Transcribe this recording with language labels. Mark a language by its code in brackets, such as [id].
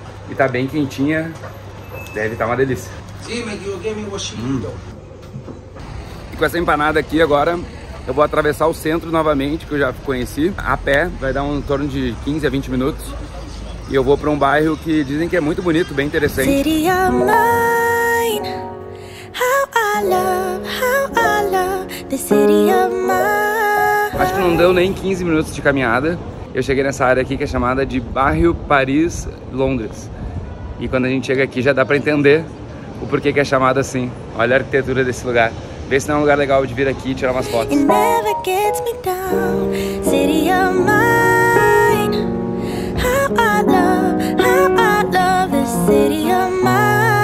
[pt] E tá bem quentinha. Deve estar uma delícia. Sim, E com essa empanada aqui agora, eu vou atravessar o centro novamente, que eu já conheci, a pé. Vai dar um torno de 15 a 20 minutos. E eu vou para um bairro que dizem que é muito bonito, bem interessante. [en] City of mine, how I love the city of mine. [pt] Acho que não deu nem 15 minutos de caminhada. Eu cheguei nessa área aqui que é chamada de Bairro Paris Londres. E quando a gente chega aqui já dá para entender o porquê que é chamado assim. Olha a arquitetura desse lugar. Vê se não é um lugar legal de vir aqui e tirar umas fotos. [en] It never gets me down, city of mine. How I love the city of mine.